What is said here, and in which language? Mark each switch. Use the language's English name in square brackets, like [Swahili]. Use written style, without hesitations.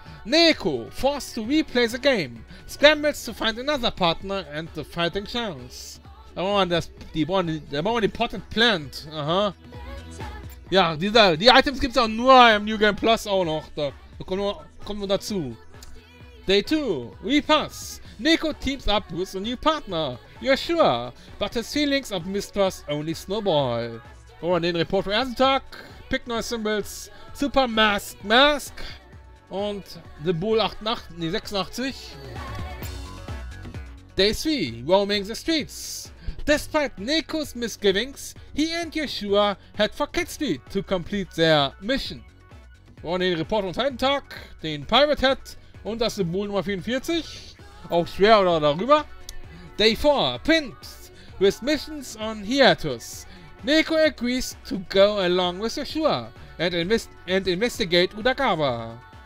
[English] Neko, forced to replay the game, scrambles to find another partner and the fighting chance. [German] Da brauchen wir den Potted Plant, aha. Ja, die Items gibt's auch nur im New Game Plus auch noch, da kommen wir dazu. [English] Day 2, Repass. Neko teams up with a new partner, Yoshua, but his feelings of mistrust only snowball. [German] Oh, und den Report vom ersten Tag, Pick New Symbols, Super Mask Mask und The Bull 86. [English] Day 3, Roaming the Streets. Despite Neko's misgivings, he and Yoshua head for Kid Street to complete their mission. [German] Oh, und den Report vom zweiten Tag, den Pirate Head. Und das Symbol Nummer 44. Auch schwer oder darüber. [English] Day 4. Pimps. With missions on hiatus. Neko agrees to go along with Yoshua. And investigate Udagawa.